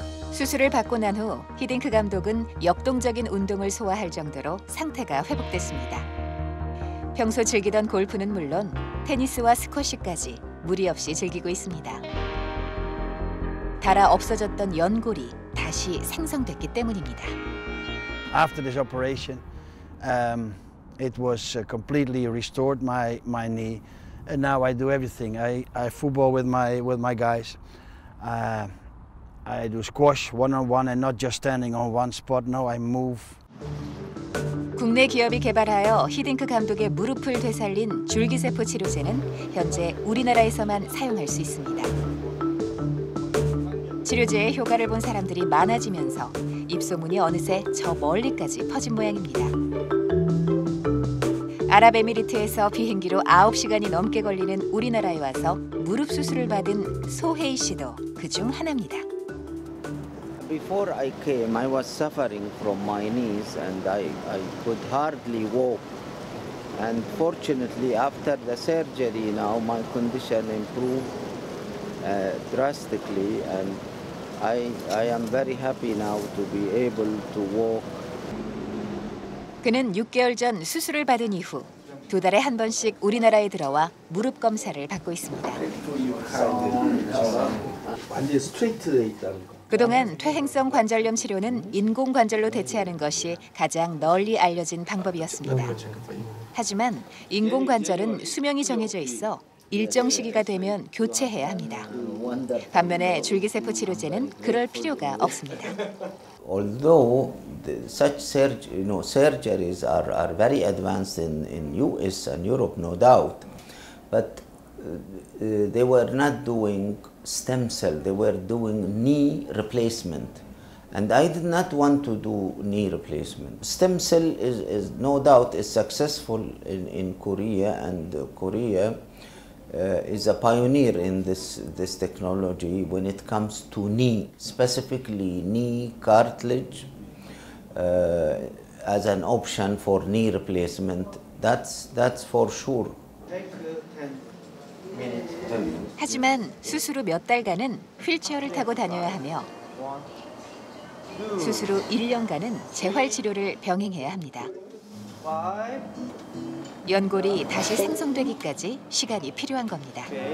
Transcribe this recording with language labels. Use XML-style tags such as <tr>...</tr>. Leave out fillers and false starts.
<ko>수술을 받고 난 후 히딩크 감독은 역동적인 운동을 소화할 정도로 상태가 회복됐습니다. 평소 즐기던 골프는 물론 테니스와 스쿼시까지 무리 없이 즐기고 있습니다. 달아 없어졌던 연골이 다시 생성됐기 때문입니다.</ko> <en>After this operation, it was completely restored my knee, and now I do everything. I football with my guys. I do squash one on one and not just standing on one spot. No, I move.</en> <ko>국내 기업이 개발하여 히딩크 감독의 무릎을 되살린 줄기세포 치료제는 현재 우리나라에서만 사용할 수 있습니다. 치료제의 효과를 본 사람들이 많아지면서 입소문이 어느새 저 멀리까지 퍼진 모양입니다. 아랍에미리트에서 비행기로 9시간이 넘게 걸리는 우리나라에 와서 무릎 수술을 받은 소혜이 씨도 그 중 하나입니다.</ko> <en>Before I came, I was suffering from my knees and I could hardly walk. And fortunately, after the surgery, now my condition improved drastically and I am very happy now to be able to walk.</en> <ko>그는 6개월 전 수술을 받은 이후 두 달에 한 번씩 우리나라에 들어와 무릎 검사를 받고 있습니다. 완전히 스트레이트돼 있다는 거. 그동안 퇴행성 관절염 치료는 인공 관절로 대체하는 것이 가장 널리 알려진 방법이었습니다. 하지만 인공 관절은 수명이 정해져 있어 일정 시기가 되면 교체해야 합니다. 반면에 줄기세포 치료제는 그럴 필요가 없습니다.</ko> <en>Although such surgeries are very advanced in US and Europe, no doubt, but they were not doing stem cell. They were doing knee replacement, and I did not want to do knee replacement. Stem cell is no doubt is successful in Korea and Korea. is a pioneer in this technology when it comes to knee, specifically knee cartilage as an option for knee replacement. That's for sure.</en> <ko>하지만 수술 후 몇 달간은 휠체어를 타고 다녀야 하며 수술 후 1년간은 재활치료를 병행해야 합니다. 연골이 다시 생성되기까지 시간이 필요한 겁니다.</ko>